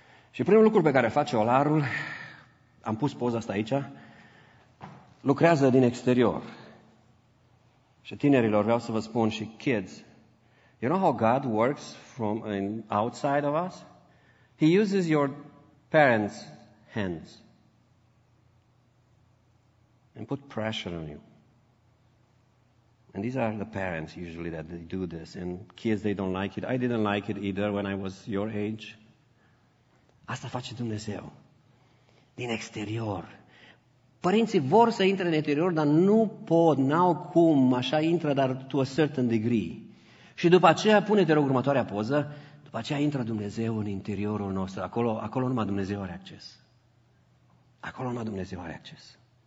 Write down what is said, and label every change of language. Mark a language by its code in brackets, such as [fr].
[ro] Și primul lucru pe care face olarul, am pus poza asta aici, lucrează din exterior. Și tinerilor vreau să vă spun și [en] kids, you know how God works from outside of us? He uses your parents' hands and put pressure on you. And these are the parents usually that they do this. And kids, they don't like it. I didn't like it either when I was your age. [ro] Asta face Dumnezeu. Din exterior. Părinții vor să intre în interior, dar nu pot, n-au cum, așa intră, dar [en] to a certain degree. [ro] Și după aceea, pune-te rog următoarea poză, după aceea intră Dumnezeu în interiorul nostru. Acolo numai Dumnezeu are acces. Acolo numai Dumnezeu are acces.